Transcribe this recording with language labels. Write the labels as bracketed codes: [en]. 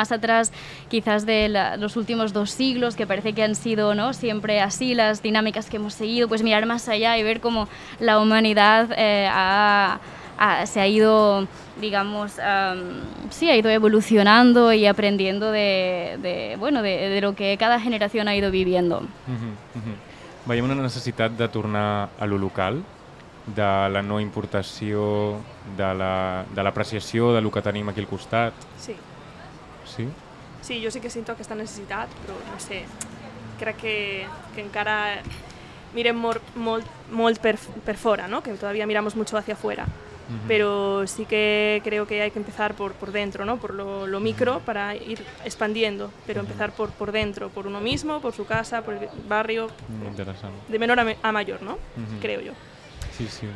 [es] Más atrás quizás de los últimos dos siglos, que parece que han sido, ¿no?, siempre así las dinámicas que hemos seguido, pues mirar más allá y ver cómo la humanidad se ha ido, digamos, ha ido evolucionando y aprendiendo de lo que cada generación ha ido viviendo. [ca] Veiem una necessitat de tornar a lo local, de la no importació, de l'apreciació de lo que tenim aquí al costat. Sí. Sí? Sí, jo sí que sinto aquesta necessitat, però no sé, crec que encara mirem molt per fora, ¿no? [es] Que todavía miramos mucho hacia afuera. Pero sí que creo que hay que empezar por dentro, ¿no? Por lo micro, para ir expandiendo, pero empezar por dentro, por uno mismo, por su casa, por el barrio, de menor a mayor, ¿no? Creo yo. Sí, sí.